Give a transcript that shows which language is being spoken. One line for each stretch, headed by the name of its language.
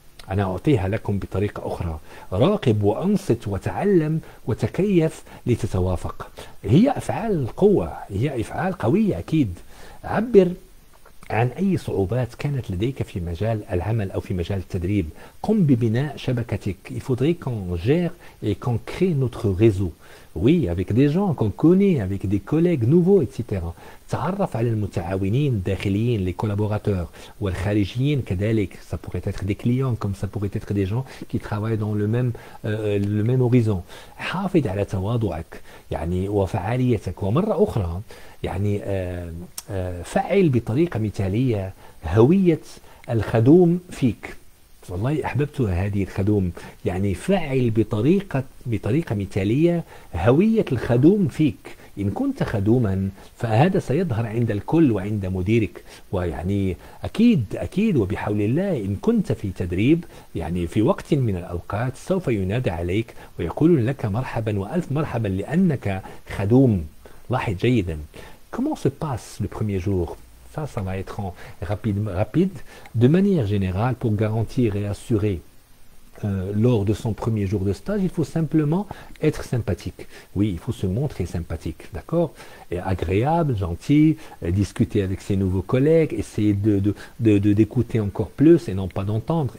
Arabic: أنا أعطيها لكم بطريقة أخرى، راقب وأنصت وتعلم وتكيف لتتوافق. هي أفعال القوة، هي أفعال قوية أكيد. عبر عن أي صعوبات كانت لديك في مجال العمل أو في مجال التدريب. قم ببناء شبكتك.
French: Il faudrait qu'on gère et qu'on crée notre réseau. Oui, avec des gens qu'on connaît, avec des collègues nouveaux, etc.
Arabic: تعرف على المتعاونين الداخليين،
French: les collaborateurs,
Arabic: والخارجيين كذلك.
French: Ça pourrait être des clients, comme ça pourrait être des gens qui travaillent dans le même horizon.
Arabic: حافظ على تواضعك يعني وفعاليتك. ومرة أخرى يعني فعل بطريقة مثالية هوية الخدوم فيك. والله أحببتها هذه، الخدوم. يعني فعل بطريقة مثالية هوية الخدوم فيك. إن كنت خدوما فهذا سيظهر عند الكل وعند مديرك، ويعني أكيد أكيد وبحول الله. إن كنت في تدريب يعني في وقت من الأوقات سوف ينادى عليك ويقول لك مرحبا وألف مرحبا لأنك خدوم. لاحظ جيدا.
French: Comment se passe le premier jour? Ça va être rapide, rapide. De manière générale, pour garantir et assurer lors de son premier jour de stage, il faut simplement être sympathique. Oui, il faut se montrer sympathique, d'accord? Et agréable, gentil, discuter avec ses nouveaux collègues, essayer de d'écouter encore plus et non pas d'entendre.